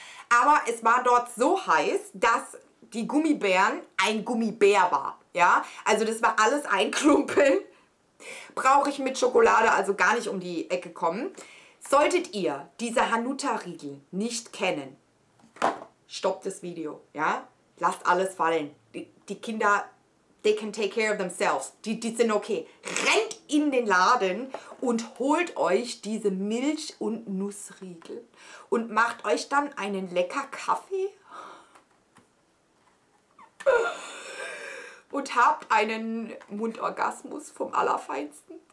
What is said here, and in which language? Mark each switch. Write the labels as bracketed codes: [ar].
[de] Aber es war dort so heiß, dass die Gummibären ein Gummibär war. Ja? Also das war alles ein Klumpen. Brauche ich mit Schokolade also gar nicht um die Ecke kommen. Solltet ihr diese Hanuta-Riegel nicht kennen, stoppt das Video, ja? Lasst alles fallen. Die Kinder, [en] they can take care of themselves. [de] Die sind okay. Rennt in den Laden und holt euch diese Milch- und Nussriegel. Und macht euch dann einen lecker Kaffee. Und habt einen Mundorgasmus vom Allerfeinsten.